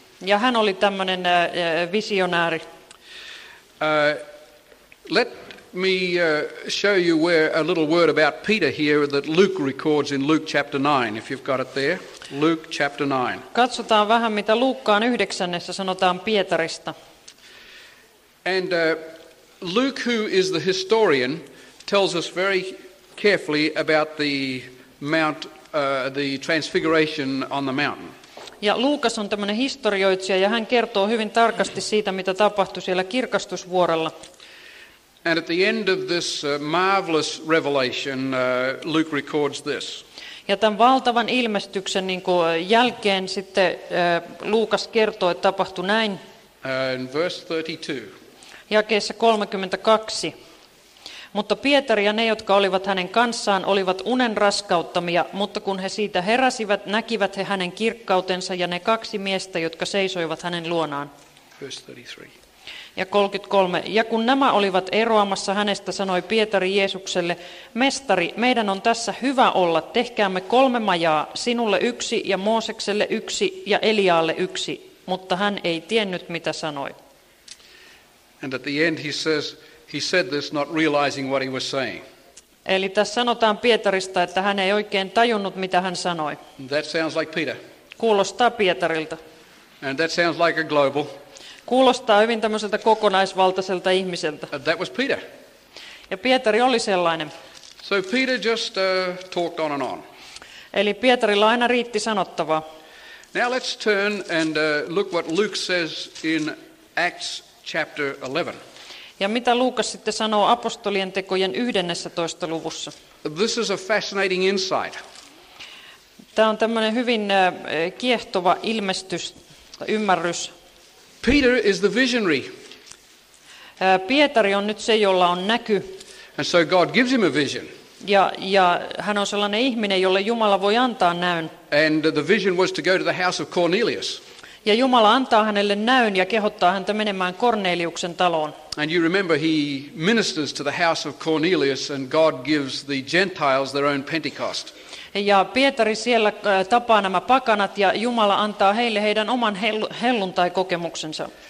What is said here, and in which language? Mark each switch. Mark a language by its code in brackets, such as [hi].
[fi] Ja hän oli tämmöinen visionääri. [en] Let me show you where a little word about Peter here that Luke records in Luke chapter 9, if you've got it there. Luke chapter 9. [fi] Katsotaan vähän, mitä Luukkaan 9:ssä sanotaan Pietarista. [en] And Luke, who is the historian, tells us very carefully about the mount, the transfiguration on the mountain. [fi] Ja Luukas on tämmöinen historioitsija, ja hän kertoo hyvin tarkasti siitä, mitä tapahtui siellä kirkastusvuorella. [en] And at the end of this marvelous revelation, Luke records this. [fi] Ja tämän valtavan ilmestyksen niin kuin jälkeen sitten Luukas kertoo, että tapahtui näin. [en] Verse 32. [fi] Jakeessa 32. Mutta Pietari ja ne, jotka olivat hänen kanssaan, olivat unen raskauttamia, mutta kun he siitä heräsivät, näkivät he hänen kirkkautensa ja ne kaksi miestä, jotka seisoivat hänen luonaan. [en] Verse 33. [fi] Ja 33. Ja kun nämä olivat eroamassa hänestä, sanoi Pietari Jeesukselle, mestari, meidän on tässä hyvä olla, tehkäämme kolme majaa, sinulle yksi ja Moosekselle yksi ja Elialle yksi. Mutta hän ei tiennyt, mitä sanoi. [en] And at the end he says, he said this not realizing what he was saying. [fi] Eli tässä sanotaan Pietarista, että hän ei oikein tajunnut, mitä hän sanoi. [en] And that sounds like Peter. [fi] Kuulostaa Pietarilta. [en] And that sounds like a global. [fi] Kuulostaa hyvin tämmöiseltä kokonaisvaltaiselta ihmiseltä. [en] That was Peter. [fi] Ja Pietari oli sellainen. [en] So Peter just talked on and on. [fi] Eli Pietarilla aina riitti sanottavaa. [en] Now let's turn and look what Luke says in Acts chapter 11. [fi] Ja mitä Luukas sitten sanoo apostolien tekojen 11. luvussa? [en] This is a fascinating insight. [fi] Tämä on tämmöinen hyvin kiehtova ilmestys, ymmärrys. [en] Peter is the visionary. [fi] Pietari on nyt se, jolla on näky. [en] And so God gives him a vision. [fi] Ja hän on sellainen ihminen, jolle Jumala voi antaa näyn. [en] And the vision was to go to the house of Cornelius. [fi] Ja Jumala antaa hänelle näyn ja kehottaa häntä menemään Korneliuksen taloon. [en] And you remember he ministers to the house of Cornelius and God gives the Gentiles their own Pentecost. [fi] Ja Pietari siellä tapaa nämä pakanat ja Jumala antaa heille heidän oman helluntaikokemuksensa.